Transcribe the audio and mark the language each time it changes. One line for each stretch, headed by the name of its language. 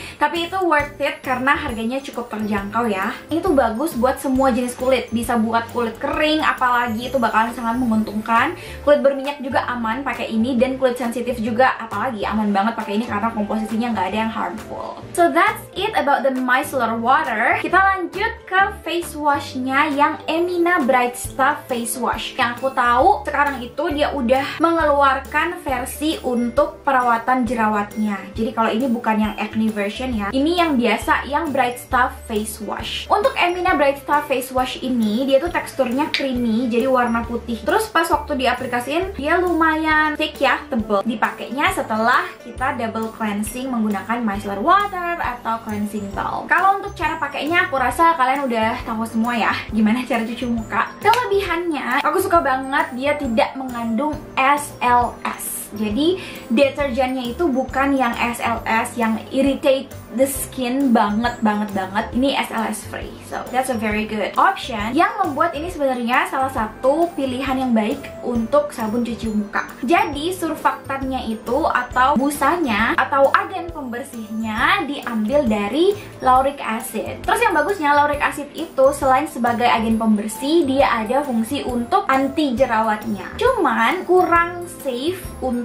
Indonesian: Tapi itu worth it karena harganya cukup terjangkau ya. Ini tuh bagus buat semua jenis kulit, bisa buat kulit kering, apalagi itu bakalan sangat menguntungkan. Kulit berminyak juga aman pakai ini, dan kulit sensitif juga apalagi aman banget pakai ini karena komposisinya nggak ada yang harmful.
English: So that's it about the micellar water.
Indonesian: Kita lanjut ke face washnya yang Emina Bright Stuff Face Wash. Yang aku tahu sekarang itu dia udah mengeluarkan versi untuk perawatan jerawatnya. Jadi kalau ini bukan yang acne version ya, ini yang biasa, yang Bright Stuff Face Wash. Untuk Emina Bright Stuff Face Wash ini, dia tuh teksturnya creamy, jadi warna putih. Terus pas waktu diaplikasiin, dia lumayan thick ya, tebel. Dipakainya setelah kita double cleansing menggunakan micellar water atau cleansing balm. Kalau untuk cara pakainya, aku rasa kalian udah tahu semua ya gimana cara cuci muka. Kelebihannya, aku suka banget dia tidak mengandung SLS. Jadi deterjennya itu bukan yang SLS yang
English: irritate the skin
Indonesian: banget. Ini SLS free,
English: so that's a very good option.
Indonesian: Yang membuat ini sebenarnya salah satu pilihan yang baik untuk sabun cuci muka. Jadi surfaktannya itu atau busanya atau agen pembersihnya diambil dari lauric acid. Terus yang bagusnya lauric acid itu selain sebagai agen pembersih, dia ada fungsi untuk anti jerawatnya. Cuman kurang safe untuk